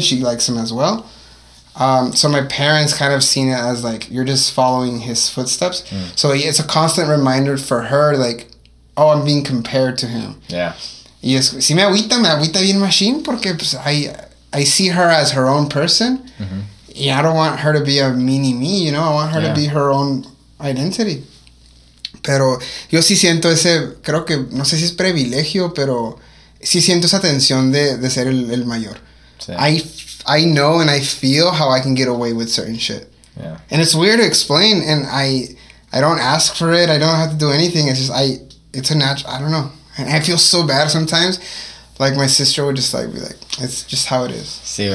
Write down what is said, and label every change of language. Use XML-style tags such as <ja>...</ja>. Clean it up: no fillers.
<en>She likes them as well. So my parents kind of seen it as like, you're just following his footsteps. Mm. So it's a constant reminder for her, like, oh, I'm being compared to him. Yeah.</en> <es>Y es, si me agüita bien machine, porque pues,</es> <en>I see her as her own person.</en> <es>Mm-hmm.</es> <en>And I don't want her to be a mini me, you know? I want her to be her own identity.</en> <es>Pero yo sí siento ese, creo que, no sé si es privilegio, pero sí siento esa tensión de ser el mayor. Sí.</es> <en>I know and I feel how I can get away with certain shit. Yeah. And it's weird to explain, and I don't ask for it, I don't have to do anything. It's just, it's a natural, I don't know. And I feel so bad sometimes. Like, my sister would just, like, be like, it's just how it is. See, right?</en>